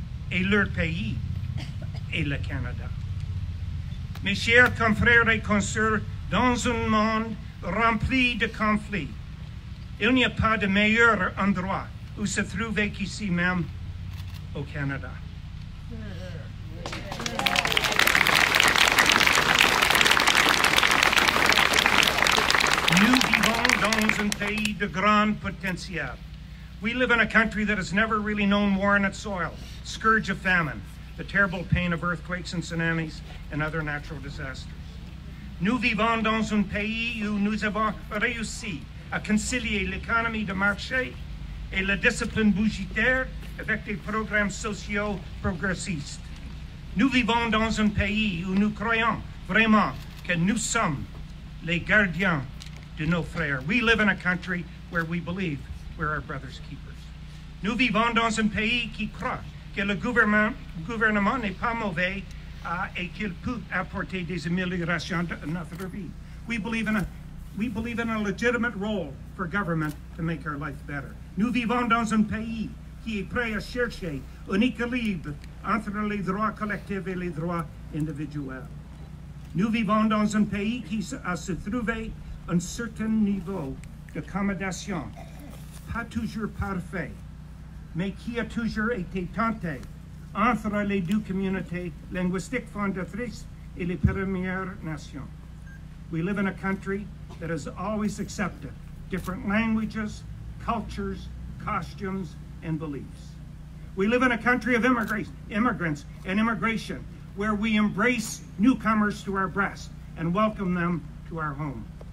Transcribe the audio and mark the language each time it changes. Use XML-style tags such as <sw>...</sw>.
<fr>Et leur pays est le Canada. Mes chers confrères et consœurs, dans un monde rempli de conflits, il n'y a pas de meilleur endroit où se trouve ici même au Canada. Nous vivons dans un pays de grand potentiel.</fr> <en>We live in a country that has never really known war in its soil, scourge of famine, the terrible pain of earthquakes and tsunamis and other natural disasters.</en> <fr>Nous vivons dans un pays où nous avons réussi à concilier l'économie de marché et la discipline budgétaire avec des programmes sociaux progressistes. Nous vivons dans un pays où nous croyons vraiment que nous sommes les gardiens de nos frères.</fr> <en>We live in a country where we believe we're our brother's keepers.</en> <fr>Nous vivons dans un pays qui croit que le gouvernement n'est pas mauvais et qu'il peut apporter des améliorations à notre vie.</fr> <en>We believe in a legitimate role for government to make our life better.</en> <fr>Nous vivons dans un pays qui est prêt à chercher un équilibre entre les droits collectifs et les droits individuels. Nous vivons dans un pays qui a se trouvé un certain niveau d'accommodation, pas toujours parfait, mais qui a toujours été tenté entre les deux communautés linguistiques fondatrices et les Premières Nations.</fr> <en>We live in a country that has always accepted different languages, cultures, costumes, and beliefs. We live in a country of immigrants and immigration where we embrace newcomers to our breast and welcome them to our home.</en>